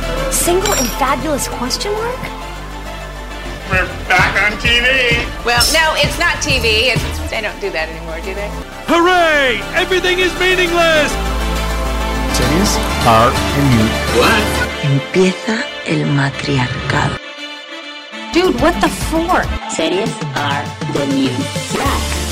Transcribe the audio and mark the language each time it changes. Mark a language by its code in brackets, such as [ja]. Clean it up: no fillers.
[en] Single and fabulous question mark? We're back on TV! Well, no, it's not TV. They don't do that anymore, do they? Hooray! Everything is meaningless! Series are the new black. [es] Empieza el matriarcado. [en] Dude, what the for? Series are the new black.